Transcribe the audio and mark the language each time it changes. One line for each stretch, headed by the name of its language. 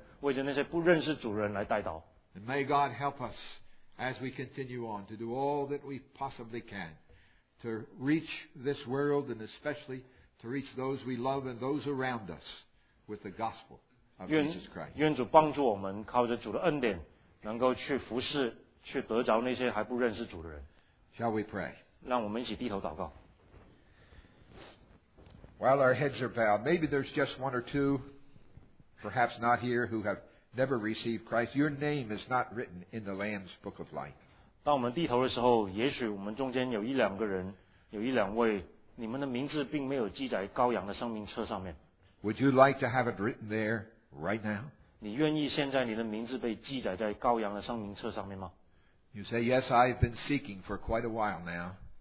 Chinese: 我今年听到也看到许多你们代祷事项，为着你们所亲爱的人，为着那些不认识主人来代祷。
English: And may God help us as we continue on to do all that we possibly can to reach this world and especially to reach those we love and those around us with the gospel of Jesus Christ.
Chinese: 愿主帮助我们靠着主的恩典 能够去服侍, 去得着那些还不认识主的人。
English: Shall we pray?
Chinese: 让我们一起低头祷告。
English: While our heads are bowed, maybe there's just one or two, perhaps not here, who have never received Christ. Your name is not written in the Lamb's Book of Life.
Chinese: 当我们低头的时候, 也许我们中间有一两个人, 有一两位, 你们的名字并没有记载羔羊的生命册上面。
English: Would you like to have it written there right now?
Chinese: 你愿意现在你的名字被记载在羔羊的生命册上面吗?
English: You say, yes, I've been seeking for quite a while now.